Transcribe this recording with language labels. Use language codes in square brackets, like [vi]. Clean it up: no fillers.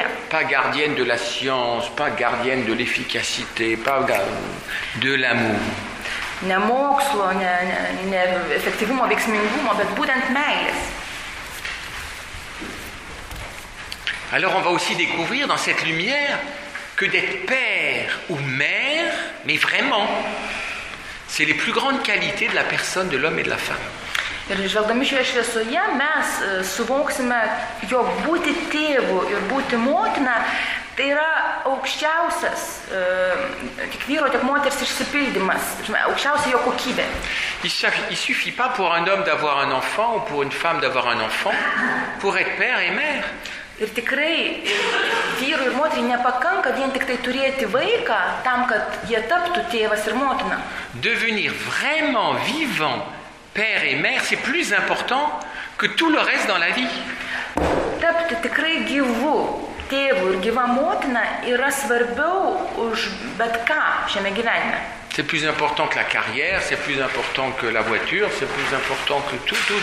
[fr] Pas gardienne de la science, pas gardienne de l'efficacité, pas de l'amour. [lt] Ne mokslo, ne efektyvumo, veiksmingumo, bet būtent meilės. [fr] Alors on va aussi découvrir dans cette lumière que d'être père ou mère, mais vraiment, c'est les plus grandes qualités de la personne, de l'homme et de la femme. [lt] Ir žvelgdami šioje šviesoje, mes suvoksime, jog būti tėvu ir būti motina, tai yra aukščiausias, tik vyro, tik moters išsipildymas, aukščiausia jo kokybė. [fr] Il suffit pas pour un homme d'avoir un enfant ou pour une femme d'avoir un enfant, pour être père et mère. [lt] Ir tikrai vyrui ir moteriai nepakanka vien tik tai turėti vaiką tam, kad jie taptų tėvas ir motina. [fr] Devenir vraiment vivant père et mère, c'est plus important que tout le reste dans la vie. [lt] Tapti tikrai gyvu tėvu ir gyva motina yra svarbiau už bet ką šiame gyvenime. [fr] C'est plus important que la carrière, c'est plus important que la voiture, c'est plus important que tout.